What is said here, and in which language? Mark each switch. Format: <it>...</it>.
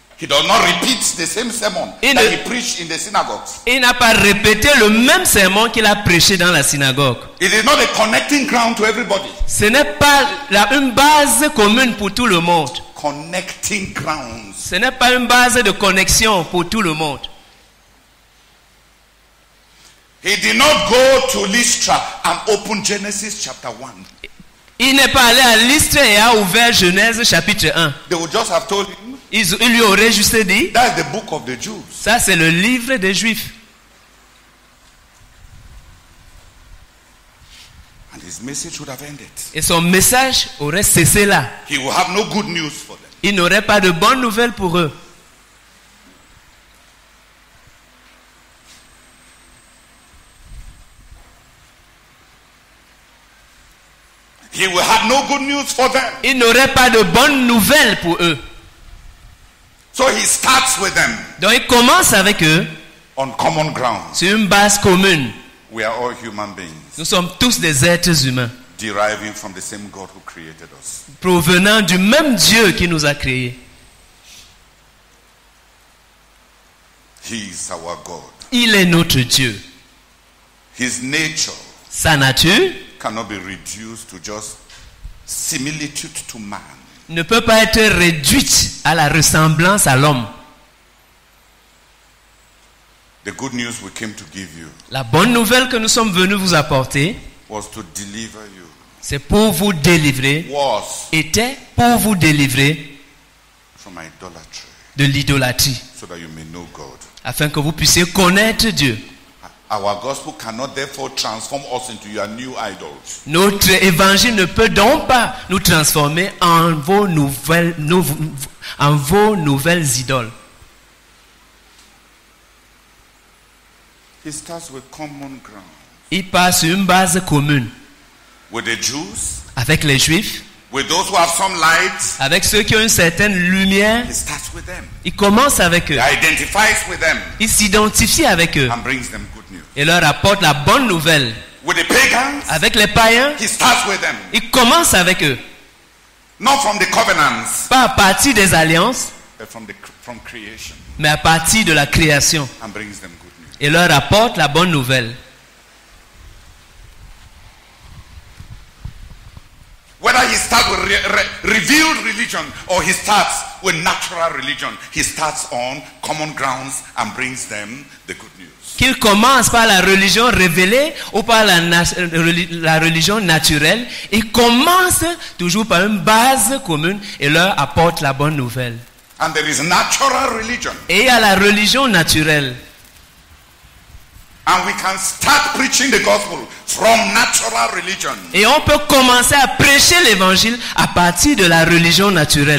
<en>He does not repeat the same sermon he preached in the synagogues.</en> <fr>Il n'a pas répété le même sermon qu'il a prêché dans la synagogue.</fr> <en>It is not a connecting ground to everybody.</en> <fr>Ce n'est pas une base commune pour tout le monde.</fr> <en>Connecting grounds.</en> <fr>Ce n'est pas une base de connexion pour tout le monde.</fr> <en>He did not go to Lystra and open Genesis chapter 1.</en> <fr>Il n'est pas allé à Lystre et a ouvert Genèse chapitre 1.</fr> <en>They would just have told him,</en> <fr>il lui aurait juste dit,</fr> <en>that's the book of the Jews.</en> <fr>Ça c'est le livre des Juifs.</fr> <en>And his message would have ended.</en> <fr>Et son message aurait cessé là.</fr> <en>He would have no good news for them.</en> <fr>Il n'aurait pas de bonnes nouvelles pour eux.</fr> <en>He will have no good news for them.</en> <fr>Il n'aurait pas de bonnes nouvelles pour eux.</fr> <en>So he starts with them.</en> <fr>Donc il commence avec eux.</fr> <en>On common ground.</en> <fr>Sur une base commune.</fr> <en>We are all human beings.</en> <fr>Nous sommes tous des êtres humains.</fr> <en>Deriving from the same God who created us.</en> <fr>Provenant du même Dieu qui nous a créés.</fr> <en>He is our God.</en> <fr>Il est notre Dieu.</fr> <en>His nature.</en> <fr>Sa nature.</fr> <en>Cannot be reduced to just similitude to man.</en> <fr>Ne peut pas être réduite à la ressemblance à l'homme.</fr> <en>The good news we came to give you.</en> <fr>La bonne nouvelle que nous sommes venus vous apporter</fr> <en>was to deliver you.</en> <fr>C'est pour vous délivrer.</fr> <en>Was</en> <fr>était pour vous délivrer</fr> <en>from idolatry,</en> <fr>de l'idolâtrie.</fr> <en>So that you may know God.</en> <fr>Afin que vous puissiez connaître Dieu.</fr> <en>Our gospel cannot therefore transform us into your new idols.</en> <fr>Notre évangile ne peut donc pas nous transformer en vos nouvelles idoles.</fr> <en>It starts with common ground.</en> <fr>Il part sur une base commune.</fr> <en>With the Jews,</en> <fr>avec les Juifs.</fr> <en>With those who have some light,</en> <fr>avec ceux qui ont une certaine lumière.</fr> <en>It starts with them.</en> <fr>Il commence avec eux.</fr> <en>He identifies with them.</en> <fr>Il s'identifie avec eux.</fr> <en>And brings them good news.</en> <fr>Et leur apporte la bonne nouvelle.</fr> <en>With the pagans,</en> <fr>avec les païens.</fr> <en>He starts with them.</en> <fr>Il commence avec eux.</fr> <en>Not from the covenants,</en> <fr>pas à partir des alliances.</fr> <en>But from creation,</en> <fr>mais à partir de la création.</fr> <en>And brings them good news.</en> <fr>Et leur apporte la bonne nouvelle.</fr> <en>Whether he starts with revealed religion or he starts with natural religion, he starts on common grounds and brings them the good news.</en> <fr>Qu'il commence par la religion révélée ou par la religion naturelle, il commence toujours par une base commune et leur apporte la bonne nouvelle.</fr> <en>And there is natural religion.</en> <fr>Et il y a la religion naturelle.</fr> <en>And we can start preaching the gospel from natural religion.</en> <fr>Et on peut commencer à prêcher l'évangile à partir de la religion naturelle.</fr>